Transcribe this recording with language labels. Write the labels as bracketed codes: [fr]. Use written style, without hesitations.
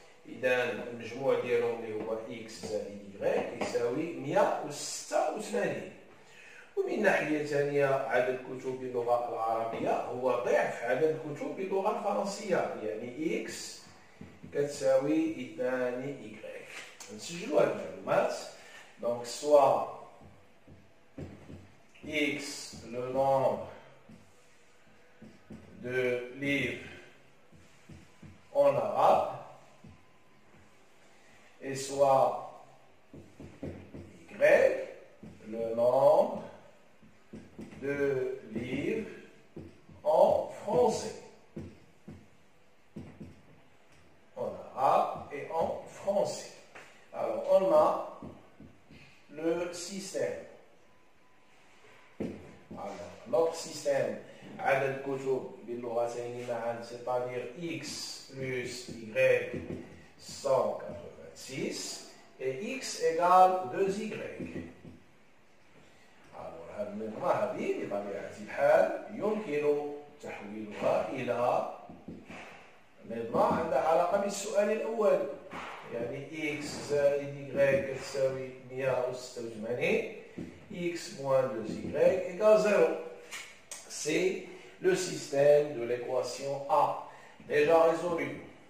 [ar] إذا المجموع ديالهم اللي هو X زائد Y يساوي 186. ومن ناحية ثانية عدد كتب باللغة العربية هو ضعف عدد كتب باللغة الفرنسية، يعني X كتساوي 2 Y. نسجلوا هذه المعلومات. [fr] Donc soit x le nombre de livres en arabe et soit y le nombre de livres en français. En arabe et en français. Alors on a le système. Alors, notre système, [ar] عدد كتب باللغتين معا, [fr] c'est-à-dire x plus y 186 et x égale 2y. [ar] Alors, هذه المجموعة هذه بطبيعة الحال يمكن تحويلها إلى مجموعة عندها علاقة بالسؤال الأول. يعني x زائد y تساوي 186 [fr] x moins 2y égale 0. C'est le système de l'équation A déjà résolu.